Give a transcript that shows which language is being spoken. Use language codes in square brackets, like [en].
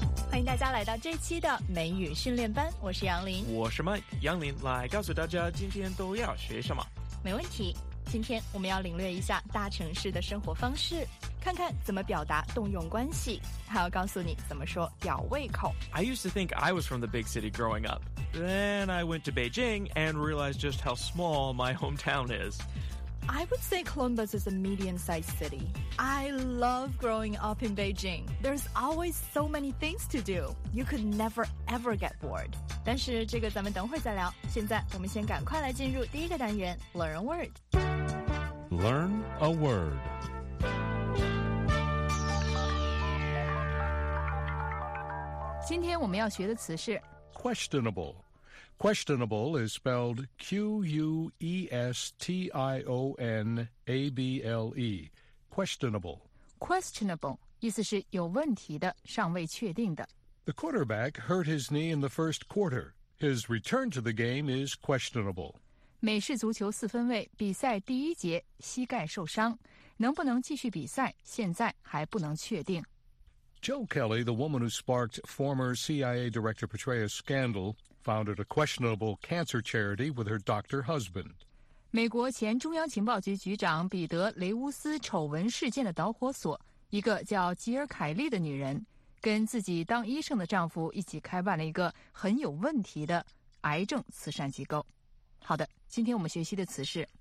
[zh] 欢迎大家来到这期的美语训练班，我是杨林。我是Mike，杨林来告诉大家今天都要学什么。没问题，今天我们要领略一下大城市的生活方式，看看怎么表达动用关系，还要告诉你怎么说吊胃口。 [en] I used to think I was from the big city growing up. Then I went to Beijing and realized just how small my hometown is. I would say Columbus is a medium-sized city. I love growing up in Beijing. There's always so many things to do. You could never, ever get bored. [zh] 但是这个咱们等会再聊，现在我们先赶快来进入第一个单元 [en] Learn a Word. Learn a Word. [zh] 今天我们要学的词是 [en] questionable. Questionable is spelled Q-U-E-S-T-I-O-N-A-B-L-E. Questionable. [zh] Questionable 意思是有问题的，尚未确定的。 [en] The quarterback hurt his knee in the first quarter. His return to the game is questionable. [zh] 美式足球四分卫比赛第一节膝盖受伤，能不能继续比赛，现在还不能确定。 [en] Jo Kelly, the woman who sparked former CIA Director Petraeus' scandal, founded a questionable cancer charity with her doctor husband. [zh] 美国前中央情报局局长彼得·雷乌斯丑闻事件的导火索，一个叫吉尔·凯利的女人，跟自己当医生的丈夫一起开办了一个很有问题的癌症慈善机构。好的，今天我们学习的词是